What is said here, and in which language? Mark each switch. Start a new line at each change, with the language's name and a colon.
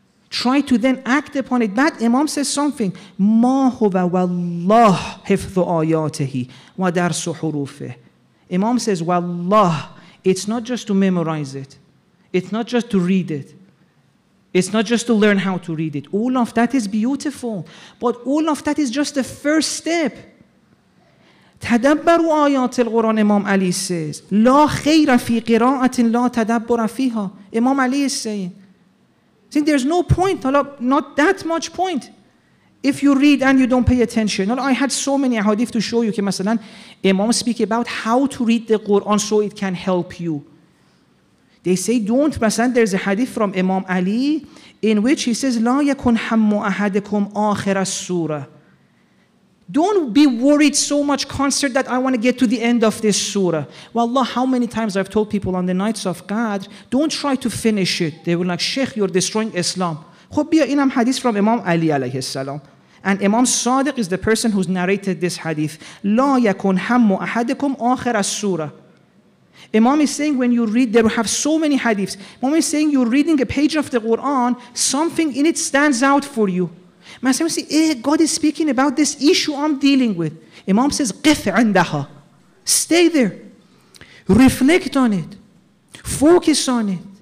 English: Try to then act upon it. That Imam says something.
Arabic: مَا هُوَ وَاللَّهِ حِفْظُ آيَاتِهِ وَدَرْسُ حُرُوفِهِ.
English: Imam says, Wallah, it's not just to memorize it. It's not just to read it. It's not just to learn how to read it. All of that is beautiful. But all of that is just the first step.
Arabic: تدبروا آيات القرآن.
English: Imam Ali says,
Arabic: لا خير في قراءة لا تدبر فيها.
English: Imam Ali is saying, see, there's no point, not that much point, if you read and you don't pay attention. I had so many ahadith to show you. Okay, مثلا, Imam speak about how to read the Quran so it can help you. They say, don't, مثلا, there's a hadith from Imam Ali in which he says,
Arabic: لا يكن هم أحدكم آخر السورة.
English: Don't be worried so much concerned that I want to get to the end of this surah. Wallah, how many times I've told people on the nights of Qadr, don't try to finish it. They were like, Sheikh, you're destroying Islam.
Persian: خب بیا اینم حدیث
English: from Imam Ali alayhi salam. And Imam Sadiq is the person who's narrated this hadith.
Arabic: لا يكن هم أحدكم آخر السورة.
English: Imam is saying when you read, they have so many hadiths. Imam is saying you're reading a page of the Quran, something in it stands out for you. Imam says, God is speaking about this issue I'm dealing with. Imam says,
Arabic: قف عندها.
English: Stay there. Reflect on it. Focus on it.